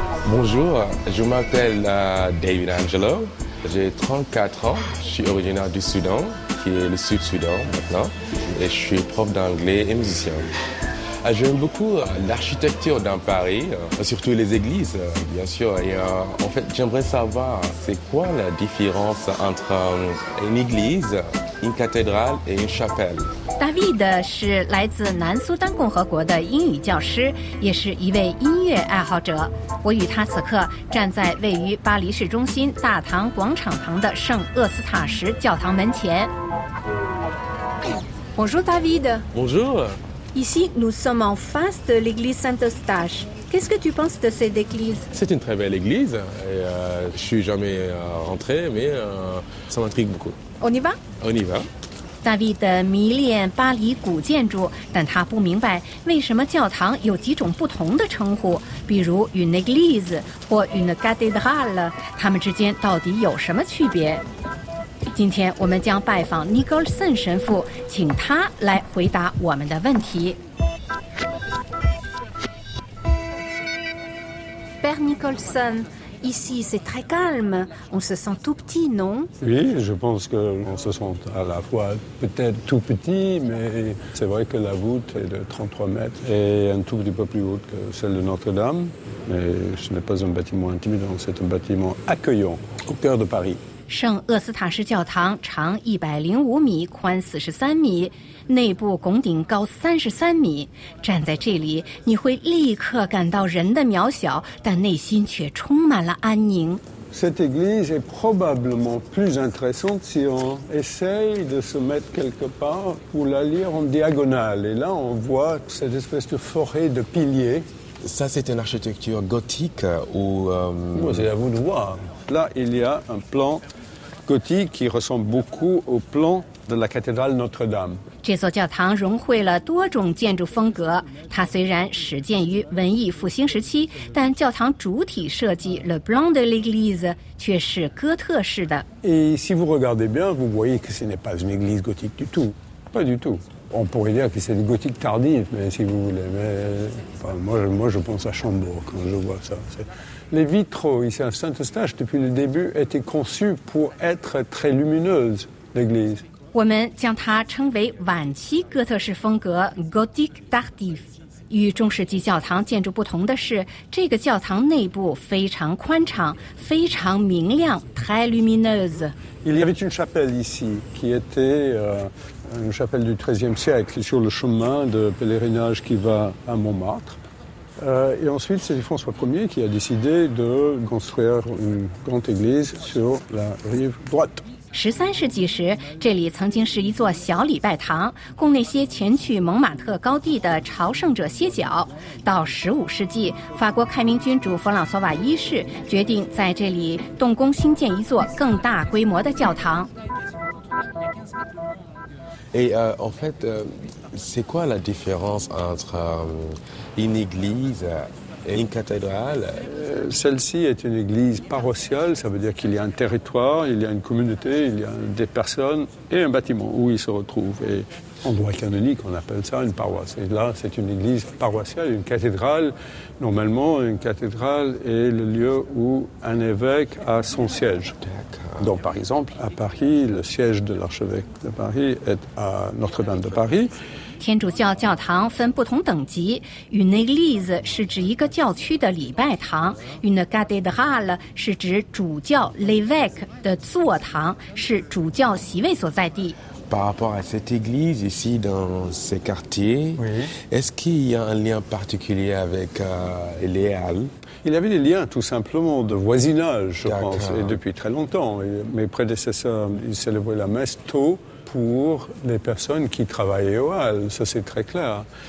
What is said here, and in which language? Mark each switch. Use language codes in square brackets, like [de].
[fr] Bonjour, je m'appelle David Angelo. J'ai 34 ans, je suis originaire du Soudan, qui est le Sud-Soudan maintenant, et je suis prof d'anglais et musicien. J'aime beaucoup l'architecture dans Paris, surtout les églises, bien sûr. Et en fait, j'aimerais savoir, c'est quoi la différence entre une église, une cathédrale et une chapelle ? [zh] David 是来自南苏丹共和国的英语教师，也是一位音乐爱好者。我与他此刻站在位于巴黎市中心大唐广场旁的圣厄斯塔什教堂门前。 [fr] Bonjour David. Bonjour. Ici, nous sommes en face de l'église Saint-Eustache. Qu'est-ce que tu penses de cette église ? C'est une très belle église. Et, je suis jamais rentré, mais ça m'intrigue beaucoup. On y va ? On y va. [zh] 大卫的迷恋巴黎古建筑，但他不明白为什么教堂有几种不同的称呼，比如 [fr] une église [zh] 或 [fr] une cathédrale， [zh] 他们之间到底有什么区别？今天我们将拜访尼格尔森神父，请他来回答我们的问题。 [fr] Père Nicholson, ici c'est très calme. On se sent tout petit, non ? Oui, je pense qu'on se sent à la fois peut-être tout petit, mais c'est vrai que la voûte est de 33 mètres et un tout petit peu plus haute que celle de Notre-Dame. Mais ce n'est pas un bâtiment intimidant, c'est un bâtiment accueillant au cœur de Paris. [zh] 圣厄斯塔什教堂长105米，宽43米，内部拱顶高33米。站在这里，你会立刻感到人的渺小，但内心却充满了安宁。 [fr] Cette église est probablement plus intéressante si on essaye de se mettre quelque part pour la lire en diagonale. Et là, on voit cette espèce de forêt de piliers. Ça, c'est une architecture gothique ou... Oui, c'est à vous de voir. Là, il y a un plan gothique qui ressemble beaucoup au plan de la cathédrale Notre-Dame. [zh] 这座教堂融汇了多种建筑风格。它虽然始建于文艺复兴时期，但教堂主体设计 [fr] Le plan de l'église [zh] 却是哥特式的。 [fr] Et si vous regardez bien, vous voyez que ce n'est pas une église gothique du tout. Pas du tout. On pourrait dire que c'est du gothique tardif, mais si vous voulez. Mais, enfin, moi, je pense à Chambord quand je vois ça. Les vitraux ici à Saint-Eustache, depuis le début, étaient conçus pour être très lumineuses, l'église. Nous allons l'appeler l'antique gothique style, gothique tardif. [zh] 与中世纪教堂建筑不同的是，这个教堂内部非常宽敞，非常明亮 ， [fr] très lumineux. Il y avait une chapelle ici qui était une chapelle du XIIIe siècle sur le chemin de pèlerinage qui va à Montmartre. Et ensuite, c'est François Ier qui a décidé de construire une grande église sur la rive droite. [zh] 十三世纪时，这里曾经是一座小礼拜堂，供那些前去蒙马特高地的朝圣者歇脚。到十五世纪，法国开明君主弗朗索瓦一世决定在这里动工兴建一座更大规模的教堂。 [fr] Et en fait, c'est quoi la différence entre une église? Et une cathédrale Celle-ci est une église paroissiale, ça veut dire qu'il y a un territoire, il y a une communauté, il y a des personnes et un bâtiment où ils se retrouvent. Et en droit canonique, on appelle ça une paroisse. Et là, c'est une église paroissiale, une cathédrale. Normalement, une cathédrale est le lieu où un évêque a son siège. Donc, par exemple, à Paris, le siège de l'archevêque de Paris est à Notre-Dame de Paris. [zh] 天主教教堂分不同等级 ， [fr] une église [zh] 是指一个教区的礼拜堂 ， [fr] une cathédrale [zh] 是指主教 [fr] l'évêque [zh] 的座堂，是主教席位所在地。 [fr] Par rapport à cette église ici dans ces quartiers,、 oui. est-ce qu'il y a un lien particulier avec les Halles? Il y avait des liens tout simplement de voisinage, je、D'accord. pense, et depuis très longtemps. Mes prédécesseurs ils célébraient la messe tôt. Pour les personnes qui travaillaient au hall, ça c'est très clair.